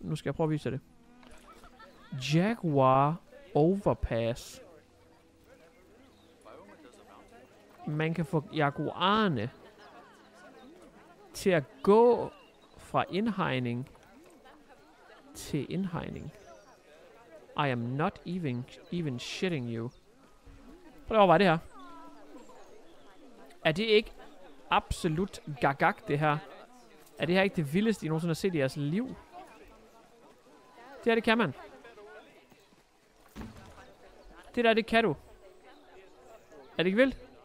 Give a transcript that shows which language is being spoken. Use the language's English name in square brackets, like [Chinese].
[Danish] Nu skal jeg prøve at vise jer det. Jaguar overpass. Man kan få jaguarerne til at gå... fra indhegning til indhegning. [English] I am not even shitting you. [Danish] Prøv at overveje det her. Er det ikke absolut gagag, det her? Er det her ikke det vildeste, I nogensinde har set i jeres liv? Det her, det kan man. Det der, det kan du. Er det ikke vildt?